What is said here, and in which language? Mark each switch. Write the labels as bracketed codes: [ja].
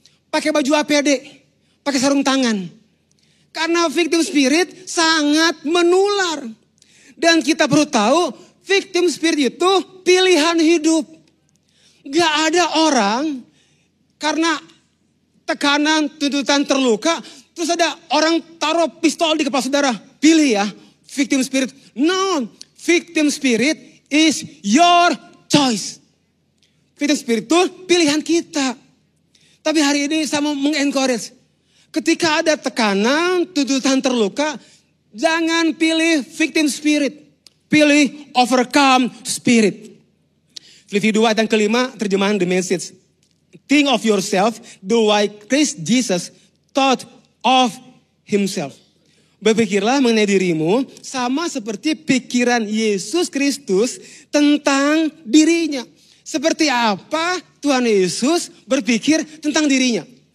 [id] Pakai baju APD, pakai sarung tangan. Karena victim spirit sangat menular. Dan kita perlu tahu, victim spirit itu pilihan hidup. Gak ada orang karena tekanan, tuntutan, terluka, terus ada orang taruh pistol di kepala saudara. Pilih ya, victim spirit. [en] No, victim spirit is your choice. [id] Victim spirit itu pilihan kita. Tapi hari ini saya mau meng-encourage. Ketika ada tekanan, tuntutan terluka, jangan pilih victim spirit. Pilih overcome spirit. Filipi 2 ayat yang kelima, terjemahan The Message. [en] Think of yourself the way Christ Jesus thought of himself. [id] Berpikirlah mengenai dirimu sama seperti pikiran Yesus Kristus tentang dirinya. Seperti apa Tuhan Yesus berpikir tentang dirinya.